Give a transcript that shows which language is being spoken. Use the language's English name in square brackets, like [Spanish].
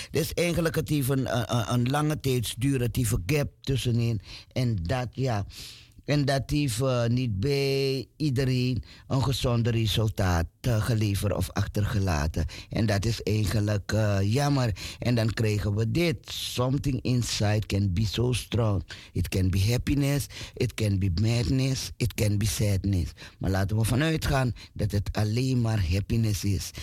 [Dutch] Dus eigenlijk het heeft een lange tijdsduur, het heeft een gap tussenin. En dat, ja. En dat heeft niet bij iedereen een gezonde resultaat geleverd of achtergelaten. En dat is eigenlijk jammer. En dan krijgen we dit. [English] Something inside can be so strong. It can be happiness, it can be madness, it can be sadness. [Dutch] Maar laten we vanuit gaan dat het alleen maar happiness is.